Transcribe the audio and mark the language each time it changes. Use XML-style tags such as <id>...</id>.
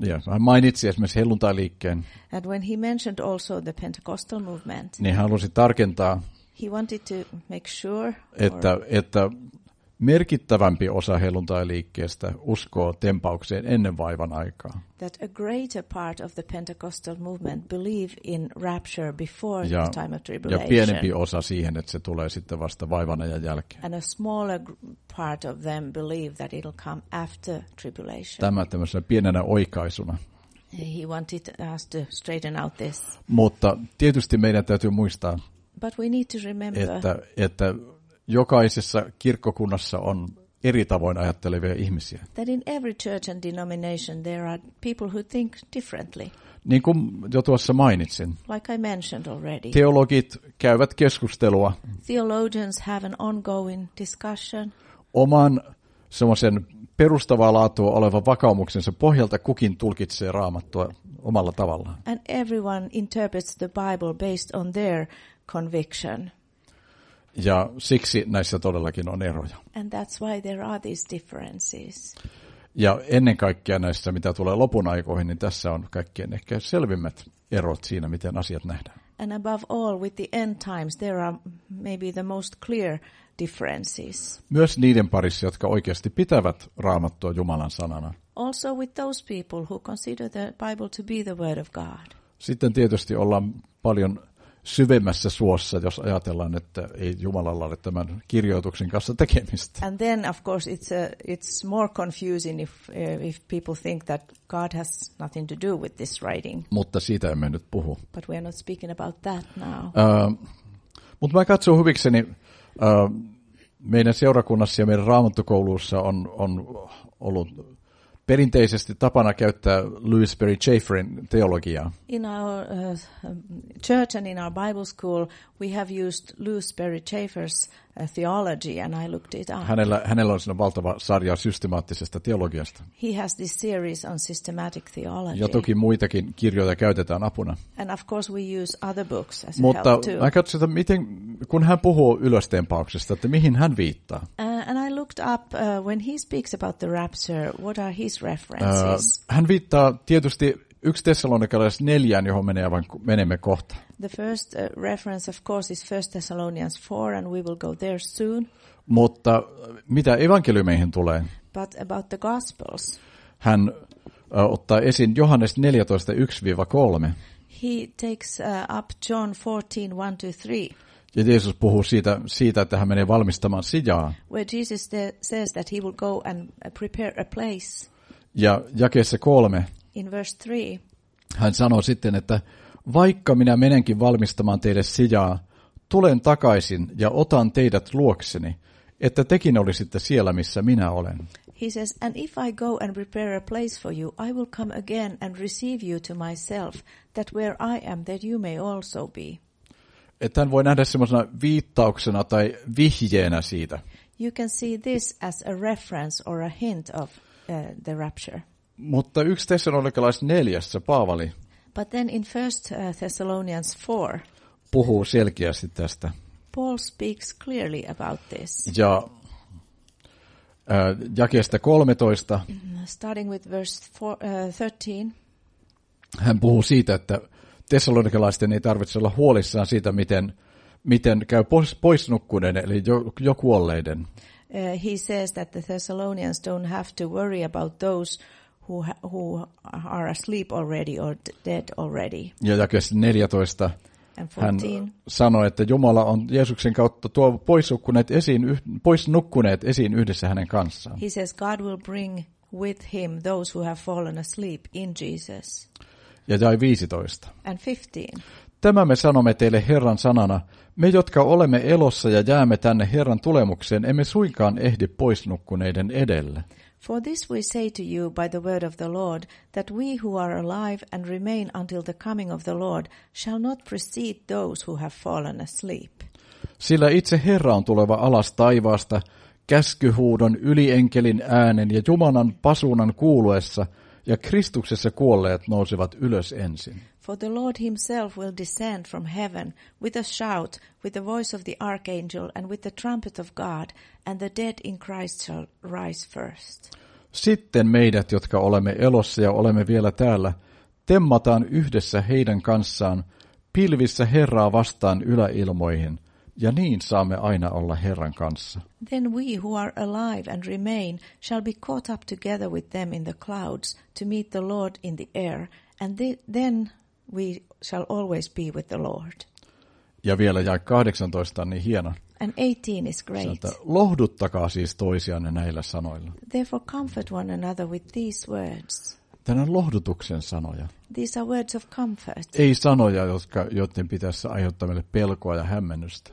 <fi>hän mainitsi esimerkiksi helluntailiikkeen.</fi> <en>And when he mentioned also the Pentecostal movement.</en> <fi>Niin hän halusi tarkentaa.</fi> <en>He wanted to make sure</en> <fi>että merkittävämpi osa helluntailiikkeestä uskoo tempaukseen ennen vaivan aikaa.</fi> <en>That a greater part of the Pentecostal movement believe in rapture before</en> <fi>ja,</fi> <en>the time of tribulation.</en> <fi>Ja pienempi osa siihen, että se tulee sitten vasta vaivan ajan jälkeen.</fi> <en>And a smaller part of them believe that it'll come after tribulation.</en> <fi>Tämä tämmöisenä pienenä oikaisuna.</fi> <en>He wanted us to straighten out this.</en> <fi>Mutta tietysti meidän täytyy muistaa,</fi> <en>but we need to remember</en> <fi>että jokaisessa kirkkokunnassa on eri tavoin ajattelevia ihmisiä.</fi> <en>That in every church and denomination there are people who think differently.</en> <fi>Niin kuin jo tuossa mainitsin.</fi> <en>Like I mentioned already.</en> <fi>Teologit käyvät keskustelua.</fi> <en>Theologians have an ongoing discussion.</en> <fi>Oman semmoisen perustavaa laatua olevan vakaumuksensa pohjalta kukin tulkitsee Raamattua omalla tavallaan.</fi> <en>And everyone interprets the Bible based on their conviction.</en> <fi>Ja siksi näissä todellakin on eroja.</fi> <en>And that's why there are these differences.</en> <fi>Ja ennen kaikkea näissä, mitä tulee lopun aikoihin, niin tässä on kaikkein ehkä selvimmät erot siinä, miten asiat nähdään.</fi> <en>And above all, with the end times, there are maybe the most clear differences.</en> <fi>Myös niiden parissa, jotka oikeasti pitävät Raamattua Jumalan sanana.</fi> <en>Also with those people who consider the Bible to be the word of God.</en> <fi>Sitten tietysti ollaan paljon syvemmässä suossa, jos ajatellaan, että ei Jumalalla ole tämän kirjoituksen kanssa tekemistä.</fi> <en>And then of course it's more confusing if people think that God has nothing to do with this writing.</en> <fi>Mutta siitä emme nyt puhu.</fi> <en>But we are not speaking about that now.</en> <fi>Mutta mä katson huvikseni, meidän seurakunnassa ja meidän raamattukouluissa on ollut perinteisesti tapana käyttää Lewis Berry Chaferin teologiaa.</fi> <en>In our church and in our Bible school we have used Lewis Berry Chafer's theology and I looked it up.</en> <fi>Hänellä on siinä valtava sarja systemaattisesta teologiasta.</fi> <en>He has this series on systematic theology.</en> <fi>Ja toki muitakin kirjoja käytetään apuna.</fi> <en>And of course we use other books as</en> <fi>mutta</fi> <en>help too.</en> <fi>Mutta mä katsoin, että miten, kun hän puhuu ylöstempauksesta, että mihin hän viittaa.</fi> <en>And I looked up when he speaks about the rapture, what are his references?</en> <fi>Hän viittaa tietysti 1 Thessalonikalais 4, johon menemme kohta.</fi> <en>The first reference of course is 1 Thessalonians 4 and we will go there soon.</en> <fi>Mutta mitä evankeliumeihin tulee?</fi> <en>But about the gospels.</en> <fi>Hän ottaa esiin Johannes 14:1-3.</fi> <en>He takes up John 14:1-3.</en> <fi>Ja Jeesus puhuu siitä, että hän menee valmistamaan sijaa.</fi> <en>Where Jesus says that he will go and prepare a place.</en> <fi>Ja jakeessa 3.</fi> <en>In verse 3.</en> <fi>Hän sanoo sitten, että vaikka minä menenkin valmistamaan teille sijaa, tulen takaisin ja otan teidät luokseni, että tekin olisitte siellä, missä minä olen.</fi> <en>He says, and if I go and prepare a place for you, I will come again and receive you to myself, that where I am, that you may also be.</en> <fi>Että hän voi nähdä semmoisena viittauksena tai vihjeenä siitä.</fi> <en>You can see this as a reference or a hint of the rapture.</en> <fi>Mutta 1 Thessalonikalais 4, Paavali.</fi> <en>But then in 1 Thessalonians 4.</en> <fi>Puhuu selkeästi tästä.</fi> <en>Paul speaks clearly about this.</en> <fi>Ja jakeesta 13.</fi> <en>Starting with verse 13.</en> <fi>Hän puhuu siitä, että tessalonikalaisten ei tarvitse olla huolissaan siitä, miten käy poisnukkuneiden, eli jo kuolleiden.</fi> <en>He says that the Thessalonians don't have to worry about those who are asleep already or dead already.</en> <fi>Ja jakeessa 14 hän sanoi, että Jumala on Jeesuksen kautta tuo poisnukkuneet esiin yhdessä hänen kanssaan.</fi> <en>He says God will bring with him those who have fallen asleep in Jesus.</en> <fi>ja jae 15.</fi> <en>And 15.</en> <fi>Tämä me sanomme teille Herran sanana. Me, jotka olemme elossa ja jäämme tänne Herran tulemukseen, emme suinkaan ehdi pois nukkuneiden edelle.</fi> <en>For this we say to you by the word of the Lord, that we who are alive and remain until the coming of the Lord shall not precede those who have fallen asleep.</en> <fi>Sillä itse Herra on tuleva alas taivaasta, käskyhuudon, ylienkelin äänen ja Jumalan pasuunan kuuluessa, ja Kristuksessa kuolleet nousevat ylös ensin.</fi> <en>For the Lord himself will descend from heaven with a shout, with the voice of the archangel and with the trumpet of God, and the dead in Christ shall rise first.</en> <fi>Sitten meidät, jotka olemme elossa ja olemme vielä täällä, temmataan yhdessä heidän kanssaan pilvissä Herraa vastaan yläilmoihin, ja niin saamme aina olla Herran kanssa.</fi> <en>Then we who are alive and remain shall be caught up together with them in the clouds to meet the Lord in the air, and then we shall always be with the Lord.</en> <fi>Ja vielä jae 18 on niin hieno.</fi> <en>And 18 is great.</en> <fi>Sieltä, lohduttakaa siis toisianne näillä sanoilla.</fi> <en>Therefore comfort one another with these words.</en> <fi>Tänä lohdutuksen sanoja.</fi> <en>These are words of comfort.</en> <fi>Ei sanoja, joiden pitäisi aiheuttaa meille pelkoa ja hämmennystä.</fi>